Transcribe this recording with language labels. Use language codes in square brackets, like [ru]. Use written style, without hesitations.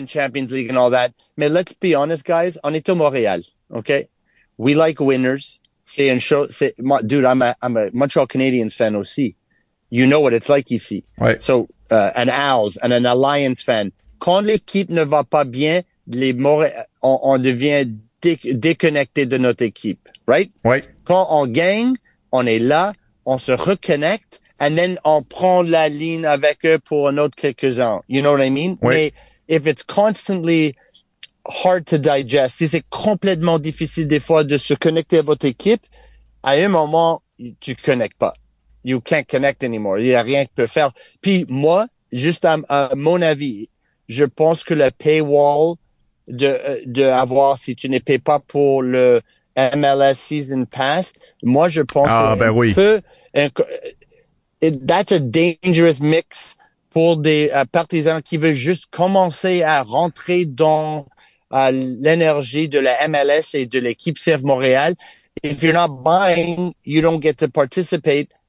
[en] and Champions League and all that. Mais let's be honest, guys, [fr] on est au Montréal. [en] Okay? We like winners. [fr] C'est une chose. [en] Dude, I'm a Montreal Canadiens fan aussi. You know what it's like ici. [fr] Ouais. [en] So, an Owls and an Alliance fan. [fr] Quand l'équipe ne va pas bien, on devient déconnecté de notre équipe. [en] Right? [fr] Ouais. Quand on gagne, on est là, on se reconnecte, [en] and then [fr] on prend la ligne avec eux pour un autre quelques ans. [en] You know what I mean? [fr] Ouais. Mais [en] if it's constantly hard to digest, [fr] si c'est complètement difficile des fois de se connecter à votre équipe, à un moment, tu connectes pas. [en] You can't connect anymore. [fr] Il y a rien que peut faire. Puis moi, juste à mon avis, je pense que le paywall de avoir, si tu ne payes pas pour le [en] MLS Season Pass, [fr] moi je pense ah, c'est ben un oui. peu. [en] That's a dangerous mix [fr] pour des partisans qui veulent juste commencer à rentrer dans l'énergie de la MLS et de l'équipe CF Montréal. [en] If you're not buying, you don't get to participate.